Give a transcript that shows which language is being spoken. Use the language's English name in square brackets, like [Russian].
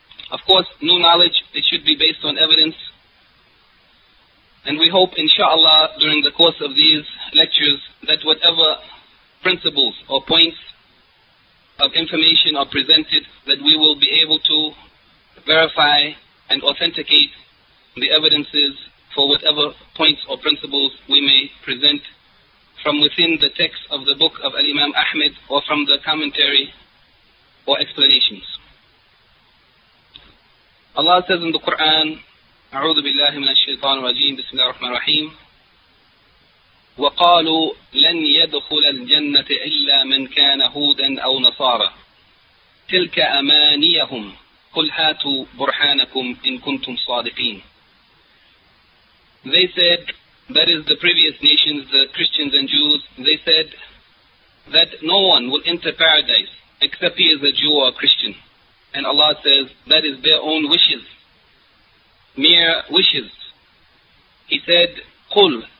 [English] Of course, new knowledge, it should be based on evidence. And we hope, inshallah, during the course of these lectures, that whatever principles or points of information are presented, that we will be able to verify and authenticate the evidences for whatever points or principles we may present from within the text of the book of Al-Imam Ahmed or from the commentary or explanations. Allah says in the Quran, [Arabic] أعوذ بالله من الشيطان الرجيم بسم الله الرحمن الرحيم وقالوا لن يدخل الجنة إلا من كان هودا أو نصارى تلك أمانيهم قل هاتوا برهانكم إن كنتم صادقين. [English] They said, that is the previous nations, the Christians and Jews, they said that no one will enter paradise except he is a Jew or a Christian. And Allah says, that is their own wishes, mere wishes. He said, قُلْ